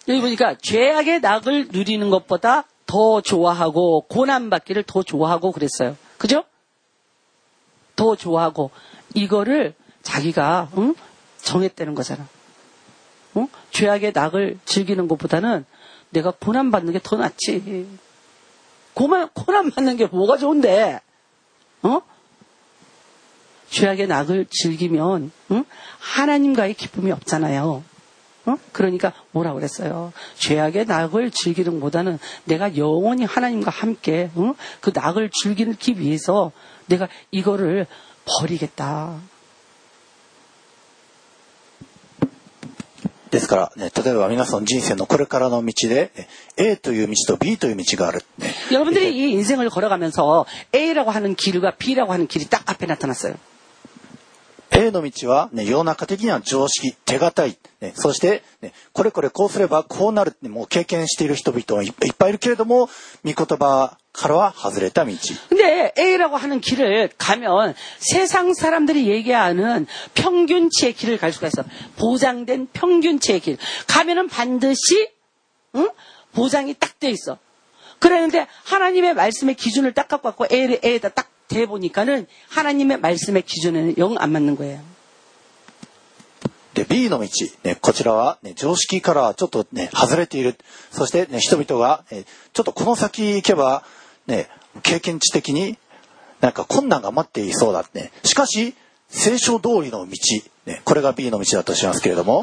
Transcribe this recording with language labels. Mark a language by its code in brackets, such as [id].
[ko] 여기보니까죄악의낙을누리는것보다더좋아하고고난받기를더좋아하고그랬어요그죠더좋아하고이거를자기가응정했다는거잖아응죄악의낙을즐기는것보다는내가고난받는게더낫지고난받는게뭐가좋은데응죄악의낙을즐기면응하나님과의기쁨이없잖아요어그러니까뭐라고그랬어요죄악의낙을즐기는것보다는내가영원히하나님과함께응그낙을즐기위해서내가이거를버리겠다 [ja] ですから、ね、例えば皆さん人生のこれからの道で A という道と B という道がある、ね、 [ko] 여러분들이이인생을걸어가면서 A 라고하는길과 B 라고하는길이딱앞에나타났어요。 [ja] A の道は、ね、世の中的には常識、手堅い、ね、そして、ね、これこれこうすればこうなるって、ね、もう経験している人々もいっぱいいるけれども、御言葉からは外れた道。 [ko] で、A 라고하는길을가면、세상사람들이얘기하는평균치의길을갈수가있어。 보장된평균치의길。 가면은반드시、응? 보장이딱돼있어。 그랬는데、하나님의말씀의기준을딱갖고 A 를 A 에다딱대보니까는하나님의말씀의기준에는영안맞는거예요。 [ja] で B の道、ね、こちらは、ね、常識からはちょっと、ね、外れている、そして、ね、人々が、ね、ちょっとこの先行けば、ね、経験値的になんか困難が待っていそうだ、ね、しかし聖書通りの道、ね、これが B の道だとしますけれども、